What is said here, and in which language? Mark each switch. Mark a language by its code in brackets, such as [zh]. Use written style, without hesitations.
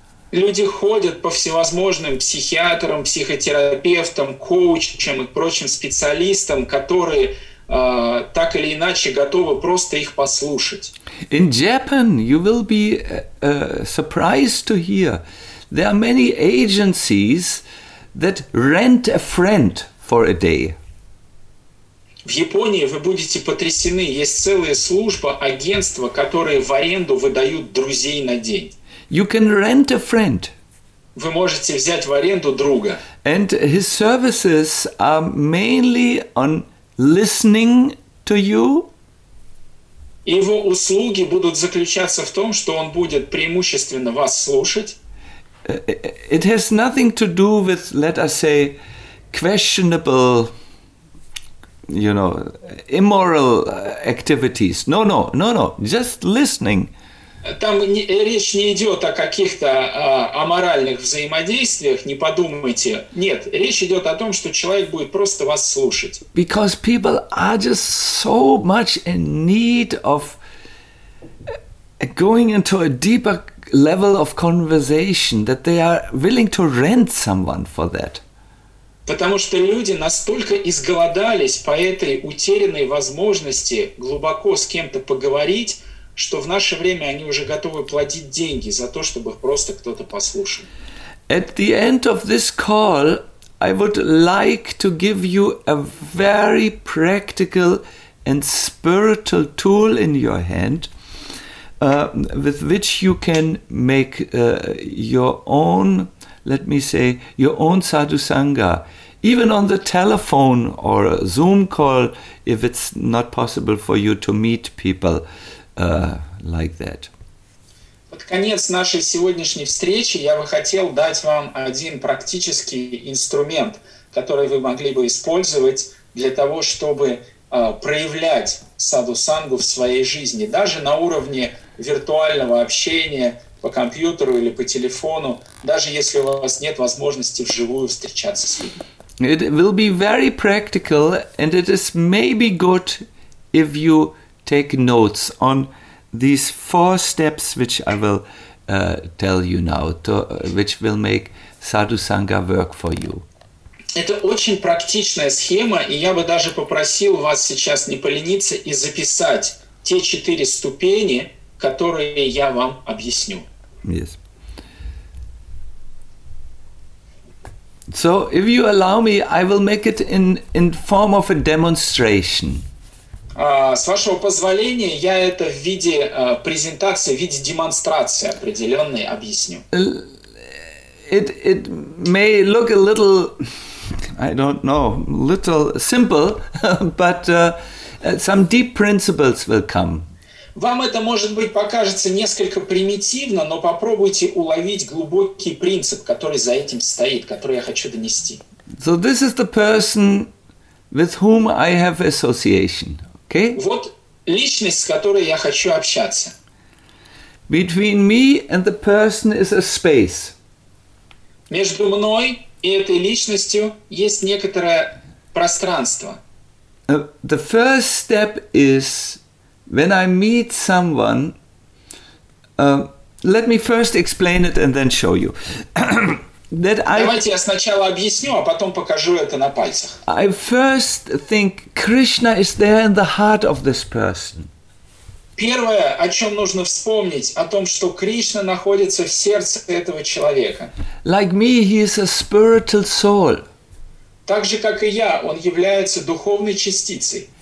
[ru] Люди ходят по всевозможным психиатрам, психотерапевтам, коучам и прочим специалистам, которые так или иначе готовы просто их послушать. [en] In Japan you will be surprised to hear there are many agencies that rent a friend for a day. [ru] В Японии вы будете потрясены, есть целые службы, агентства, которые в аренду выдают друзей на день. [en] You can rent a friend. [ru] Вы можете взять в аренду друга. [en] And his services are mainly on listening to you. [ru] Его услуги будут заключаться в том, что он будет преимущественно вас слушать. [en] It has nothing to do with, let us say, questionable, you know, immoral activities. No. Just listening. [ru] Там речь не идет о каких-то аморальных взаимодействиях, не подумайте. Нет, речь идет о том, что человек будет просто вас слушать. [en] Because people are just so much in need of going into a deeper level of conversation that they are willing to rent someone for that. [ru] Потому что люди настолько изголодались по этой утерянной возможности глубоко с кем-то поговорить, что в наше время они уже готовы платить деньги за то, чтобы их просто кто-то послушал. [en] At the end of this call, I would like to give you a very practical and spiritual tool in your hand with which you can make your own, let me say, your own Sadhu Sangha, even on the telephone or a Zoom call if it's not possible for you to meet people like that. [ru] Под конец нашей сегодняшней встречи я бы хотел дать вам один практический инструмент, который вы могли бы использовать для того, чтобы проявлять саду-сангу в своей жизни, даже на уровне виртуального общения по компьютеру или по телефону, даже если у вас нет возможности вживую встречаться с людьми. [en] It will be very practical, and it is maybe good if you take notes on these four steps which I will tell you now, which will make Sadhu Sangha work for you. [ru] Это очень практичная схема, и я бы даже попросил вас сейчас не полениться и записать те четыре ступени, которые я вам объясню. [en] Yes. So, if you allow me, I will make it in form of a demonstration. [ru] С вашего позволения, я это в виде презентации, в виде демонстрации определенной объясню. [en] It may look a little, I don't know, little simple, but some deep principles will come. [ru] Вам это, может быть, покажется несколько примитивно, но попробуйте уловить глубокий принцип, который за этим стоит, который я хочу донести. [en] So this is the person with whom I have association. Okay. [ru] Вот личность, с которой я хочу общаться. [en] Between me and the person is a space. [ru] Между мной и этой личностью есть некоторое пространство. [en] The first step is when I meet someone. Let me first explain it and then show you. [ru] Давайте я сначала объясню, а потом покажу это на пальцах. [en] I first think Krishna is there in the heart of this person. [ru] Первое, о чем нужно вспомнить, о том, что Кришна находится в сердце этого человека. [en] Like me, he is a spiritual soul. [ru] Так же, как и я, он является духовной частицей.